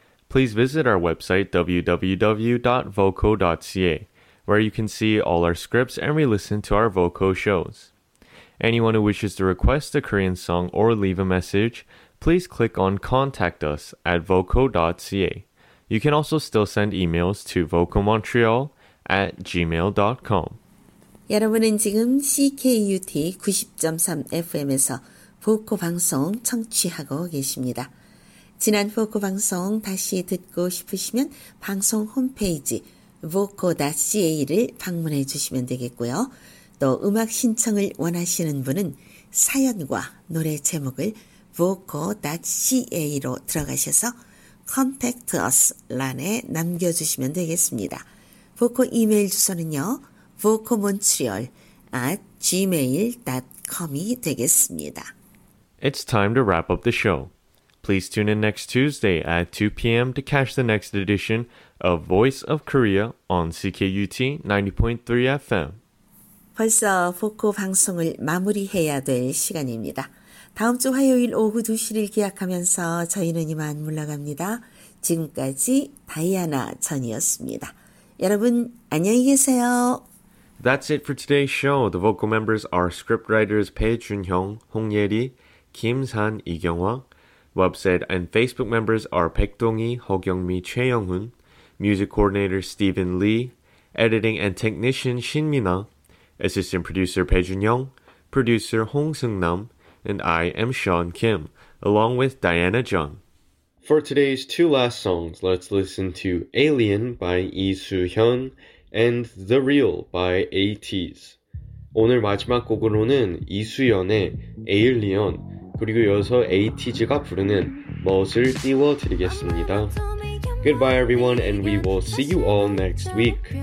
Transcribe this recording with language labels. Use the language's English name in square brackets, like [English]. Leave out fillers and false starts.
[English] Please visit our website www.voco.ca, where you can see all our scripts and re-listen to our Voco shows. Anyone who wishes to request a Korean song or leave a message, please click on Contact Us at voco.ca. You can also still send emails to vocomontreal@gmail.com. [Korean] 여러분은 지금 CKUT 90.3 FM에서 보코 방송 청취하고 계십니다. 지난 보코 방송 다시 듣고 싶으시면 방송 홈페이지 voco.ca를 방문해 주시면 되겠고요. 또 음악 신청을 원하시는 분은 사연과 노래 제목을 vocal.ca로 들어가셔서 contact us 란에 남겨주시면 되겠습니다. 보코 이메일 주소는요, vocalmontreal@gmail.com이 되겠습니다. [English] It's time to wrap up the show. Please tune in next Tuesday at 2 p.m. to catch the next edition of Voice of Korea on CKUT 90.3 FM. [Korean] 벌써 보코 방송을 마무리해야 될 시간입니다. 다음 주 화요일 오후 2시를 기약하면서 저희는 이만 물러갑니다. 지금까지 다이아나 전이었습니다. 여러분 안녕히 계세요. [English] That's it for today's show. The vocal members are scriptwriters 배준형, 홍예리, 김산, 이경화. Website and Facebook members are 백동이, 허경미, 최영훈. Music coordinator Stephen Lee. Editing and technician 신민아. Assistant producer 배준형. Producer 홍승남. And I am Sean Kim, along with Diana Jung. For today's two last songs, let's listen to Alien by Lee Soo-hyun and The Real by ATEEZ. [Korean] 오늘 마지막 곡으로는 이수연의 Alien, 그리고 이어서 ATEEZ가 부르는 멋을 띄워드리겠습니다. [English] Goodbye everyone, and we will see you all next week.